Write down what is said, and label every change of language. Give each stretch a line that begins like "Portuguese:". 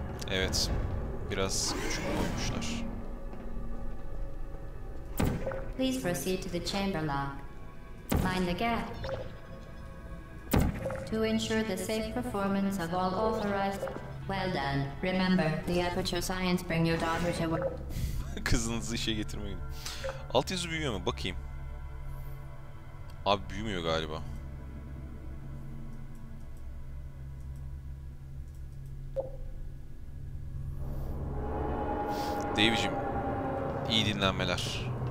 Turkish: Evet, biraz küçük koymuşlar.
English: Please proceed to the chamber lock. Mind the gap. To ensure the safe performance of all authorized... Well done. Remember, the Aperture Science bring your daughter to work.
Turkish: Kızınızı işe getirmeyin. Alt yazı büyüyor mu? Bakayım. Abi büyümüyor galiba. Dave'cim, iyi dinlenmeler.